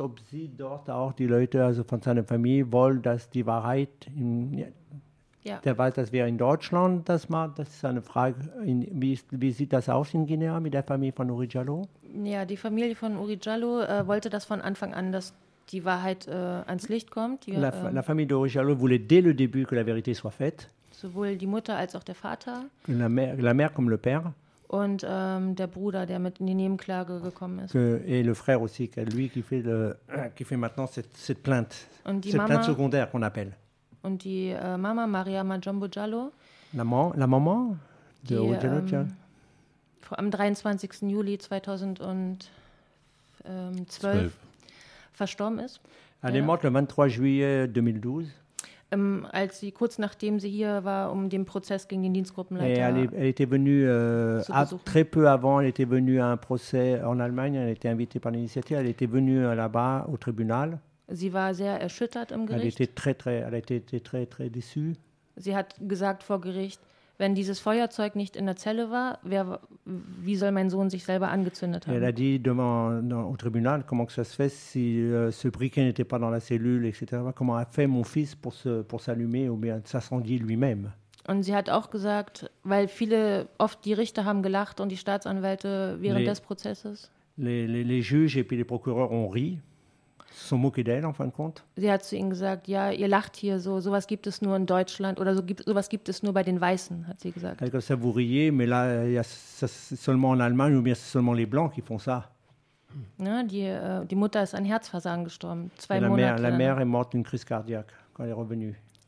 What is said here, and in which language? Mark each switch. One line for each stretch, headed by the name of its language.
German: Ob sie dort auch die Leute, also von seiner Familie, wollen, dass die Wahrheit... Ja. Der weiß, dass wir in Deutschland das machen. Das ist eine Frage, wie sieht das aus in Guinea mit der Familie von Uri Jalloh? Ja, die Familie von Uri Jalloh wollte das von Anfang an, dass die Wahrheit ans Licht kommt. Die,
French: la famille d'Uri Jalloh voulait dès le début que la vérité soit faite.
German: Sowohl die Mutter als auch der Vater.
French: La mère comme le père.
German: Und der Bruder, der mit in die Nebenklage gekommen ist.
French: Et le frère aussi, lui qui fait maintenant cette plainte.
German: Und die
French: cette
German: Mama,
French: plainte secondaire qu'on appelle.
German: Und die Mama, Mariama Jumbo Jallo.
French: La Maman de Jallo.
German: Am 23. Juli 2012 verstorben ist.
French: Elle est morte le 23 juillet 2012.
German: Als sie kurz nachdem sie hier war, um den Prozess gegen den Dienstgruppenleiter zu besuchen.
French: Elle était venue, très peu avant, elle était venue à un procès en Allemagne, elle était invitée par l'initiative, elle était venue là-bas au tribunal.
German: Sie war sehr erschüttert im Gericht.
French: Elle était très, très déçue.
German: Sie hat gesagt vor Gericht, wenn dieses Feuerzeug nicht in der Zelle war, wie soll mein Sohn sich selber angezündet haben?
French: Elle a dit au tribunal, comment que ça se fait si ce briquet n'était pas dans la cellule, etc. Comment a fait mon fils pour s'allumer ou bien s'incendier lui-même?
German: Und sie hat auch gesagt, weil viele, oft die Richter haben gelacht und die Staatsanwälte während des Prozesses.
French: Les juges et puis les procureurs ont ri. Sont moqués d'elle, en fin de compte.
German: Sie hat zu ihnen gesagt, ja, ihr lacht hier so, sowas gibt es nur in Deutschland oder sowas gibt es nur bei den Weißen, hat sie gesagt.
French: Comme ça, vous riez, mais là, c'est seulement en Allemagne ou bien c'est seulement les Blancs qui font ça.
German: Ja, die Mutter ist an Herzversagen gestorben, zwei
French: la
German: Monate.
French: La mère est morte d'une crise cardiaque quand elle est revenue.